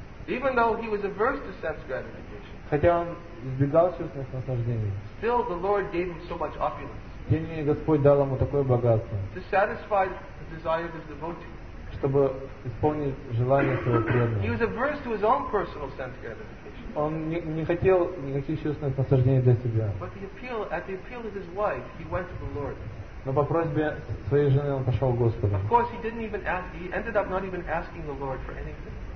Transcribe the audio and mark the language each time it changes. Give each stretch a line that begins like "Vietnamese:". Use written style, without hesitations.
English: even though he was averse to sense gratification,
Russian: хотя он избегал чувственных наслаждений,
English: still the Lord gave him so much opulence.
Russian: Тем не менее Господь дал ему такое богатство,
English: to satisfy the desire of his devotee.
Russian: Чтобы исполнить желание своего преданного.
English: He was averse to his own personal sense gratification.
Russian: Он не хотел никаких чувственных наслаждений для себя.
English: But at the appeal of his wife, he went to the Lord.
Russian: Но по просьбе своей жены он пошел к Господу.
English: Of course, he didn't even ask. He ended up not even asking the Lord for anything.